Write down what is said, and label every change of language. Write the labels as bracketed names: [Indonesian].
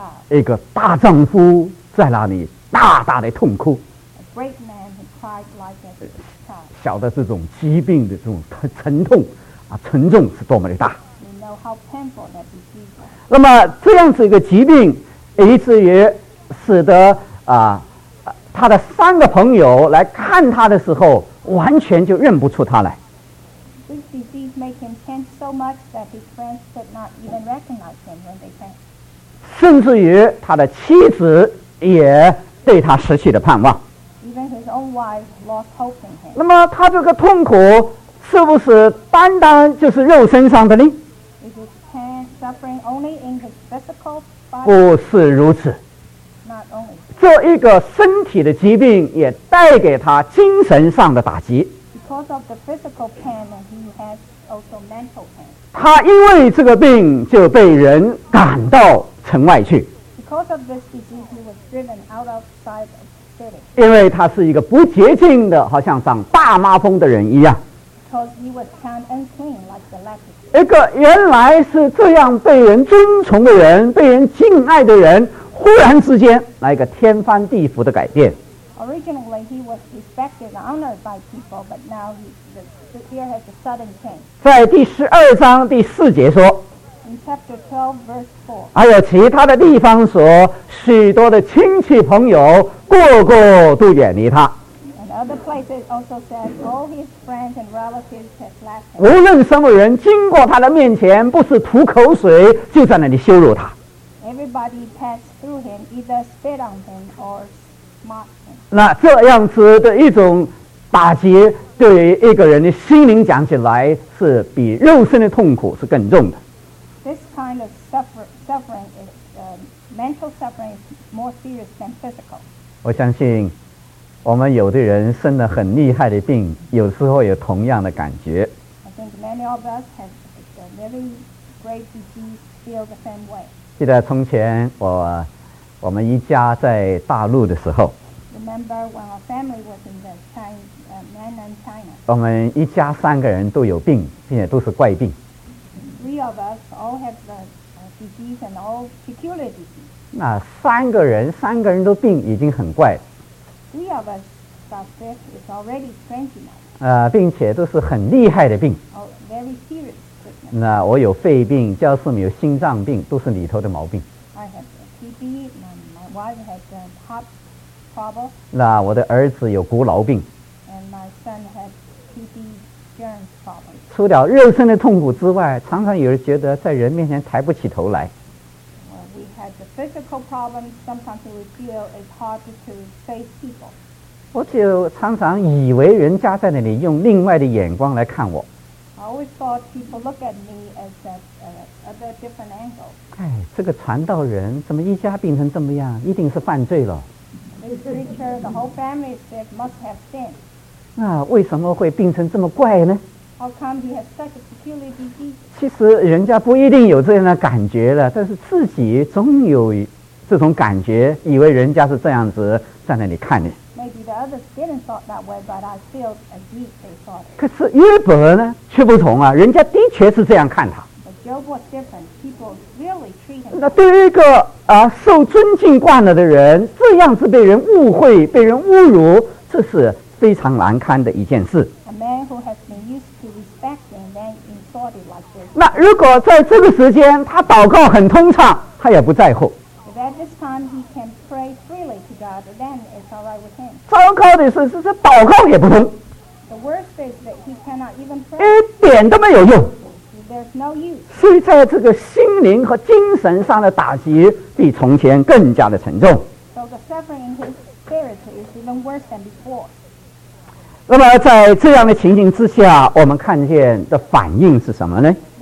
[Chinese] 一个大丈夫在那里大大的痛哭。 [English] pride like a child. [Chinese] 晓得这种疾病的这种沉痛啊，沉重是多么的大。 [English] We know how painful that disease is. [Chinese] 那么这样子一个疾病，以至于使得啊，他的三个朋友来看他的时候，完全就认不出他来。 [English] This disease made him tense so much that his friends could not even recognize him when they came. [Chinese] 甚至于他的妻子也对他失去了盼望。 [English] Even his own wife lost hope in him. [Chinese] 那么他这个痛苦是不是单单就是肉身上的呢？ [English] Is his pain suffering only in his physical body? [Chinese] 不是如此。 [English] Not only. [Chinese] 这一个身体的疾病也带给他精神上的打击。 [English] Because of the physical pain, he has also mental pain. [Chinese] 他因为这个病就被人赶到城外去。 [English] Because of this disease, he was driven out of sight of the city. [Chinese] 因为他是一个不洁净的，好像长大麻风的人一样。 [English] Because he was found unclean like the leper. [Chinese] 一个原来是这样被人尊崇的人，被人敬爱的人。忽然之间来个天翻地覆的改变。 [English] Originally he was respected and honored by people, but now the fear has a sudden change. [Chinese] 在第十二章第四节说。 [English] In chapter 12, verse 4. [Chinese] 还有其他的地方说，许多的亲戚朋友个个都远离他。 [English] And other places also said all his friends and relatives had left him. [Chinese] 无论什么人经过他的面前，不是吐口水，就在那里羞辱他。 [English] Everybody passed through him, either spit on him or mocked him. [Chinese] 那这样子的一种打击，对于一个人的心灵讲起来，是比肉身的痛苦是更重的。 [English] This kind of suffering is mental suffering is more serious than physical. [Chinese] 我相信，我们有的人生了很厉害的病，有时候有同样的感觉。 [English] I think many of us have very great disease, feel the same way. [Chinese] 记得从前我们一家在大陆的时候 [English] Remember when our family was in the mainland China. [Chinese] 我们一家三个人都有病，并且都是怪病。 [English] Three of us all have the disease and all peculiar disease. [Chinese] 那三个人都病已经很怪了。 [English] Three of us got sick is already strange enough. [Chinese] 并且都是很厉害的病。 [English] Very serious. [Chinese] 那我有肺病，教授们有心脏病，都是里头的毛病。 [English] I have TB, my wife has a heart trouble. [Chinese] 那我的儿子有骨痨病。 [English] And my son has TB germs problem. [Chinese] 除了肉身的痛苦之外，常常有人觉得在人面前抬不起头来。 [English] Well, we have the physical problem. Sometimes we feel it's hard to face people. [Chinese] 我就常常以为人家在那里用另外的眼光来看我。 [English] I always thought people look at me as other different angles. [Chinese] 哎，这个传道人怎么一家病成这么样？一定是犯罪了。 [English] This preacher, the whole family said, must have sinned. [Chinese] 那为什么会病成这么怪呢？ [English] How come he has such a peculiar disease? [Chinese] 其实人家不一定有这样的感觉了，但是自己总有这种感觉，以为人家是这样子在那里看你。 [English] Maybe the others didn't thought that way, but I feel as if they thought it. [Chinese] 可是约伯呢，却不同啊，人家的确是这样看他。 [English] But Job was different. People really treat him. [Chinese] 那对于一个受尊敬惯了的人，这样子被人误会、被人侮辱，这是非常难堪的一件事。 [English] A man who has been used to respect him, then insulted like this. [Chinese] 那如果在这个时间他祷告很通畅，他也不在乎。 [English] If at this time he can pray freely to God, then it's all right with him. [Chinese] 糟糕的是，这祷告也不通。 [English] The worst is that he cannot even pray. [Chinese] 一点都没有用。 [English] There's no use. [Chinese] 所以在这个心灵和精神上的打击比从前更加的沉重。 [English] So the suffering in his spirit is even worse than before. [Chinese] 那么在这样的情形之下，我们看见的反应是什么呢？